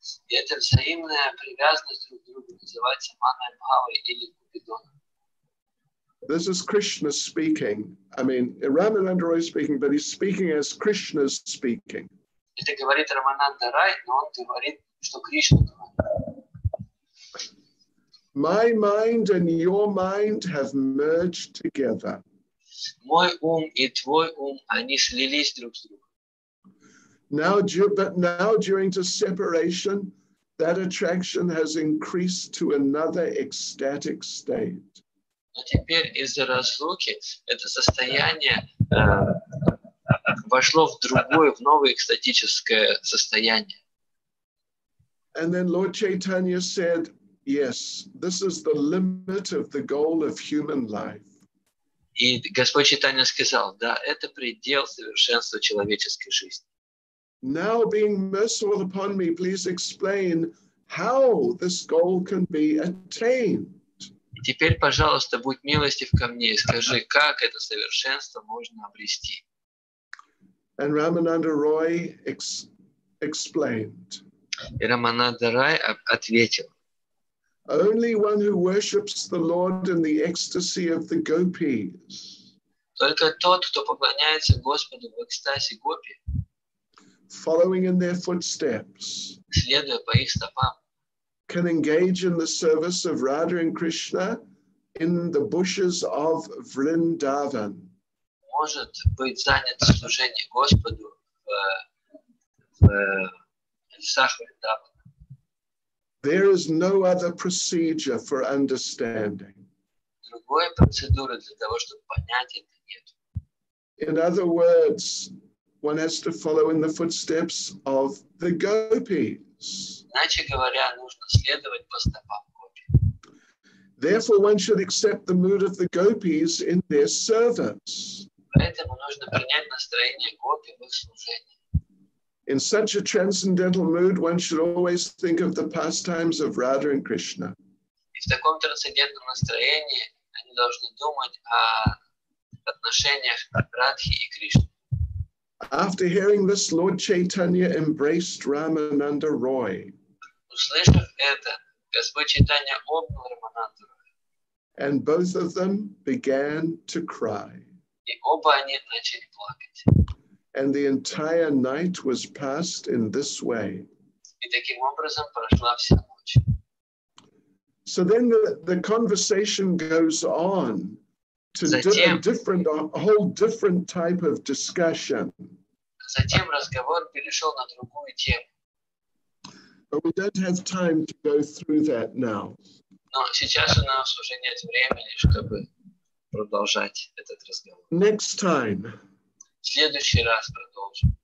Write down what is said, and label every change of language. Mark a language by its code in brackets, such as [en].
[ru] Эта взаимная привязанность друг к другу называется Манабхава или Купидон. [en] This is Krishna speaking. I mean, Рамананда Рой speaking, but he's speaking as Krishna's speaking. [ru] Это говорит Рамананда Рай, но он говорит, что Кришна говорит. [en] My mind and your mind have merged together. [ru] Мой ум и твой ум, они слились друг с другом. [en] Now, during the separation, that attraction has increased to another ecstatic state. [ru] Но теперь из-за разлуки это состояние вошло в другое, в новое экстатическое состояние. [en] And then Lord Chaitanya said, yes, this is the limit of the goal of human life. [ru] И Господь Чайтанья сказал, да, это предел совершенства человеческой жизни. [en] Now being merciful upon me, please explain how this goal can be attained. [ru] И теперь, пожалуйста, будь милостив ко мне и скажи, как это совершенство можно обрести. [en] And Рамананда Рой explained. [ru] И Рамананда Рай ответил. [en] Only one who worships the Lord in the ecstasy of the gopis. [ru] Только тот, кто поклоняется Господу в экстазе гопи. [en] Following in their footsteps. [ru] Следуя по их стопам. [en] Can engage in the service of Radha and Krishna in the bushes of Vrindavan. [ru] Может быть занят служение Господу в лесах Вриндавана. [en] There is no other procedure for understanding. [ru] Другой процедуры для того, чтобы понять это, нет. [en] In other words, one has to follow in the footsteps of the gopis. [ru] Иначе говоря, нужно следовать по стопам. [en] Therefore, one should accept the mood of the gopis in their service. [ru] Поэтому нужно принять настроение гопи в их служении. [en] In such a transcendental mood, one should always think of the pastimes of Radha and Krishna. [ru] И в таком трансцендентном настроении они должны думать о отношениях Радхи и Кришны. [en] After hearing this, Lord Chaitanya embraced Ramananda Roy. [ru] Услышав это, Господь Чайтанья обнял Рамананду Роя. [en] And both of them began to cry. [ru] И оба они начали плакать. [en] And the entire night was passed in this way. [ru] И таким образом прошла вся ночь. [en] So then the conversation goes on to a whole different type of discussion. [ru] Затем разговор перешел на другую тему. [en] But we don't have time to go through that now. [ru] Но сейчас у нас уже нет времени, чтобы продолжать этот разговор. [en] Next time. [ru] Следующий раз продолжим.